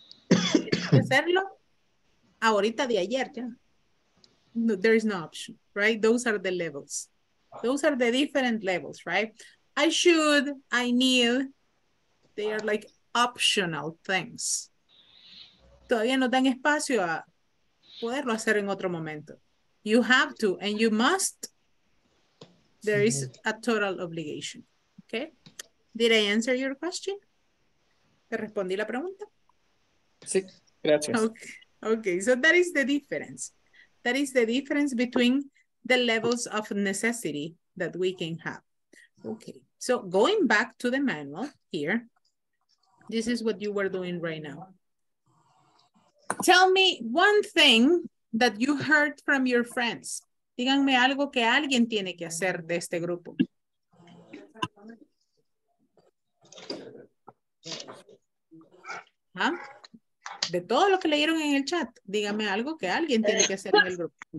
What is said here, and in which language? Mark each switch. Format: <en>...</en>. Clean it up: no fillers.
<es>Hacerlo ahorita de ayer ya.</es> <en>No, there is no option, right? Those are the levels. Those are the different levels, right? I should, I need, they are like optional things.</en> <es>Todavía no dan espacio a poderlo hacer en otro momento.</es> <en>You have to and you must. There is a total obligation. Okay? Did I answer your question?</en> <es>¿Te respondí la pregunta? Sí, gracias.</es> <en>Okay, okay. So that is the difference. That is the difference between the levels of necessity that we can have. Okay, so going back to the manual here, this is what you were doing right now. Tell me one thing that you heard from your friends.</en> <es>Díganme algo que alguien tiene que hacer de este grupo. ¿Ah? De todo lo que leyeron en el chat, díganme algo que alguien tiene que hacer en el grupo.</es>